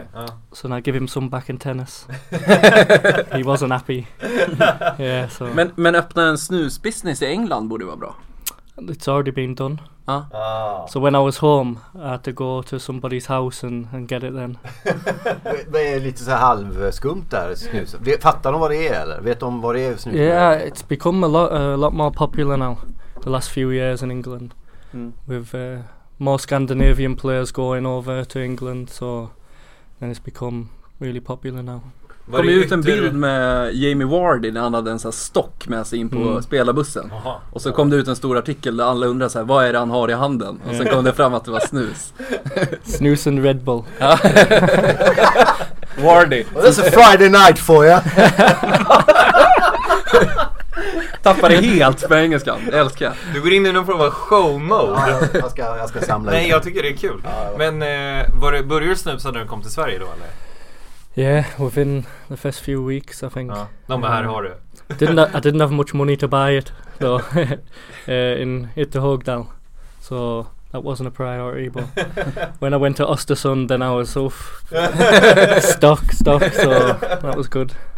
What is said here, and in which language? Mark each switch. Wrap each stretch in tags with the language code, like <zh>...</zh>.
<en>okay, ja. So I give him some back in tennis. He wasn't happy. Yeah, so.</en> <sv>Men öppna en snusbusiness i England borde vara bra.</sv> <en>It's already been done. Ah. Ah. So when I was home, I had to go to somebody's house and get it then.</en> <sv>Det är lite så halvskumt där snus. Fattar de vad det är eller? Vet de vad det är snus?</sv> <en>Yeah, it's become a lot more popular now the last few years in England. Mm. With more Scandinavian players going over to England, so then it's become really popular now.</en> <sv>Var kom ju ut en bild med Jamie Vardy när han hade en sån stock med sig in på spelarbussen. Aha. Och så kom det ut en stor artikel där alla undrade så här, vad är det han har i handen? Och sen kom det fram att det var snus.</sv> <en>Snus and Red Bull. Vardy. Well, that's a Friday night for you.</en> <sv>Tappade helt på engelskan, älskar jag. Du går in i någon form av show mode. Jag ska samla det. Nej, jag tycker det är kul. Men började du snusa när du kom till Sverige då eller?</sv> <en>Yeah, within the first few weeks, I think. No, but here are you. I didn't have much money to buy it, though, in Ytterhogdal, so that wasn't a priority. But when I went to Östersund, then I was off stock, so that was good.</en>